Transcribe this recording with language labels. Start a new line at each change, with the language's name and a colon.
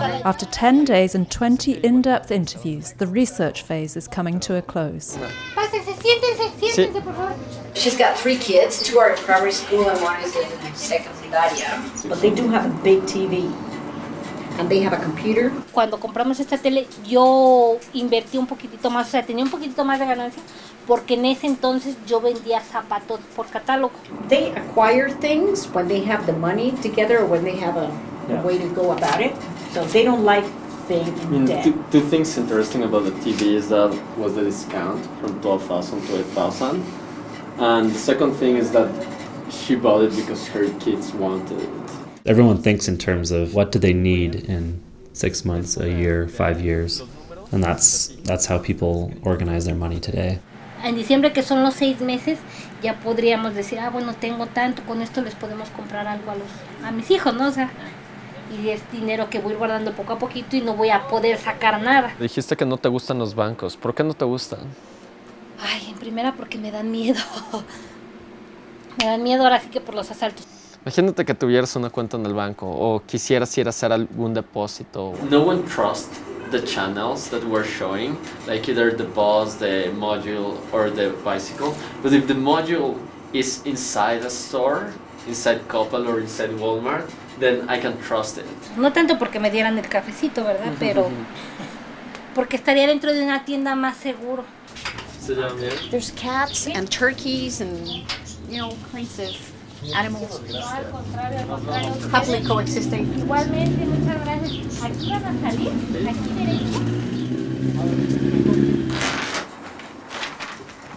English: After 10 days and 20 in-depth interviews, the research phase is coming to a close.
Spanish: Sí.
English: She's got 3 kids. 2 are in primary school and 1 is in secundaria. But they do have a big TV. And they have a computer.
Spanish: Cuando compramos esta tele, yo invertí un poquitito más, o sea, tenía un poquitito más de ganancia, porque en ese entonces yo vendía zapatos por catálogo.
English: They acquire things when they have the money together or when they have a, yeah. a way to go about it. So they don't like being I mean, debt. Two things interesting about the TV is that was the discount from 12,000 to 8,000. And the second thing is that she bought it because her kids wanted it. Everyone thinks in terms of what do they need in 6 months, a year, 5 years. And that's how people organize their money today.
Spanish: En diciembre, que son los 6 meses, ya podríamos decir, ah, bueno, tengo tanto, con esto les podemos comprar algo a mis hijos, ¿no? O sea, y es dinero que voy guardando poco a poquito y no voy a poder sacar nada. Dijiste que no te gustan los bancos. ¿Por qué no te gustan? Ay, en primera porque me dan miedo. Me dan miedo ahora sí que por los asaltos. Imagínate que tuvieras una cuenta en el banco o quisieras ir a hacer algún depósito.
English: No one trusts the channels that we're showing, like either the bus, the module, or the bicycle. But if the module is inside a store, inside Coppel or inside Walmart, then I can trust it.
Spanish: No tanto porque me dieran el cafecito, ¿verdad? Pero porque estaría dentro de una tienda más seguro.
English: There's cats and turkeys and, you know, kinds of animals. Happily coexisting.
Spanish: Igualmente, muchas gracias. Aquí van a salir, aquí derecho.